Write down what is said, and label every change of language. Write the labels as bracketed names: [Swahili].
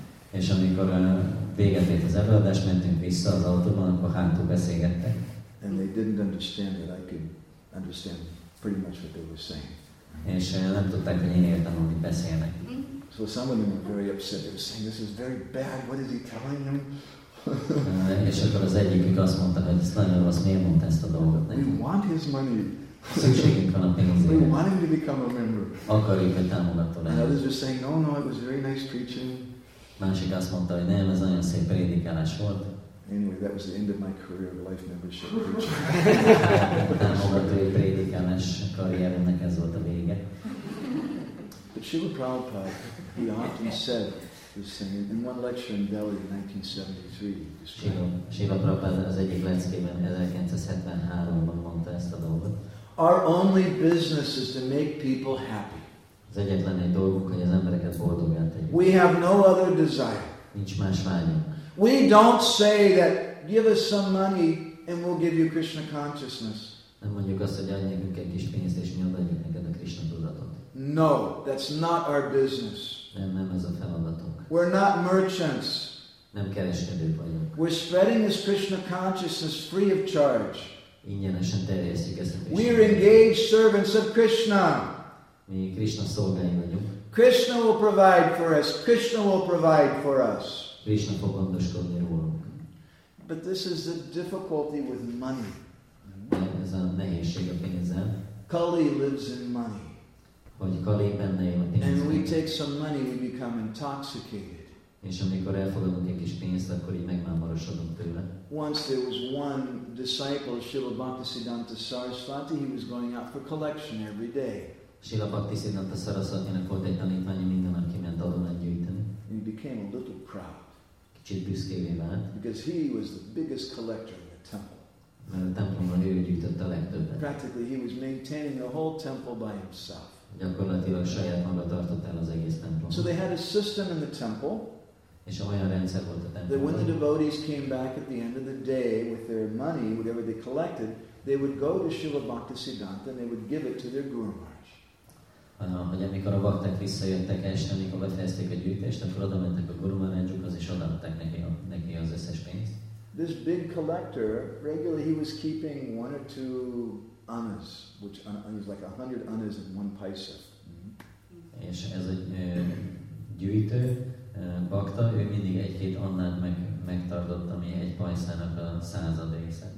[Hungarian] És amikor véget ért az előadás, mentünk vissza az autóban, akkor hátul beszélgettek. [English] And they didn't understand that I could understand pretty much what they were saying. [Hungarian] És nem tudták, hogy én értem, amit beszélnek. [English] So some of them were very upset. They were saying, this is very bad. What is he telling them? [Hungarian] És akkor az egyikük azt mondta, hogy ez nagyon rossz, miért mondta ezt a dolgot nekünk. [English] We want his money. [Hungarian] Szükségünk van a pénzére. [English] We want him to become a member. [Hungarian] Akarjuk, hogy támogató legyen. [English] And others were saying, no, it was very nice preaching. [Hungarian] Másik azt mondta, hogy nem, ez nagyon szép prédikálás volt. [English] Anyway, that was the end of my career of life membership preaching. [Hungarian] Támogatói prédikálás karrieremnek ez volt a vége. [English] But Srila Prabhupada, he often said this thing in one lecture in Delhi in 1973. [Hungarian] Srila Prabhupada az egyik leckében 1973-ban mondta ezt a dolgot. [English] Our only business is to make people happy. [Hungarian] Az egyetlen egy dolgunk, hogy az embereket boldoggá tegyük. [English] We have no other desire. [Hungarian] Nincs más vágyunk. [English] We don't say that give us some money and we'll give you Krishna consciousness. [Hungarian] Nem mondjuk azt, hogy adj nekünk egy kis pénzt és mi adjuk neked a Krishna tudatot. [English] No, that's not our business. [Hungarian] Nem ez a feladatunk. [English] We're not merchants. [Hungarian] Nem kereskedők vagyunk. [English] We're spreading this Krishna consciousness free of charge. [Hungarian] Ingyenesen terjesztjük ezt a Krishna. [English] We're engaged servants of Krishna. [Hungarian] Mi Krishna szolgái vagyunk. [English] Krishna will provide for us. Krishna will provide for us. [Hungarian] Krishna fog gondoskodni rólunk. [English] But this is the difficulty with money. [Hungarian] Ez a nehézség a pénzzel. [English] Kali lives in money. [Hungarian] Hogy Kali benne él a pénzben. [English] And we take some money, we become intoxicated. [Hungarian] És amikor elfogadunk egy kis pénzt, akkor így megmámarosodunk tőle. [English] Once there was one disciple, Srila Bhaktisiddhanta Sarasvati, he was going out for collection every day. [Hungarian] Srila Bhaktisiddhanta Sarasvatinak volt egy tanítványa minden nap, kiment adományt gyűjteni. [English] He became a little proud. [Hungarian] Kicsit büszkévé vált. [English] Because he was the biggest collector in the temple. [Hungarian] Mert a templomban ő gyűjtött a legtöbbet. [English] Practically he was maintaining the whole temple by himself. [Hungarian] Gyakorlatilag saját maga tartott el az egész templomot. [English] So they had a system in the temple. [Hungarian] És olyan rendszer volt a templomban. [English] That when the devotees came back at the end of the day with their money, whatever they collected, they would go to Srila Bhaktisiddhanta and they would give it to their Guru Maharaj. [Hungarian] Hogy amikor a bakták visszajöttek este, amikor befejezték a gyűjtést, akkor oda mentek a Guru Maharajukhoz, és odaadták neki az összes pénzt. [English] This big collector, regularly he was keeping one or two annas, which is like 100 annas in one paisa. [Hungarian] És ez egy gyűjtő, bakta, ő mindig egy-két annát megtartott, ami egy pajszának a századrésze.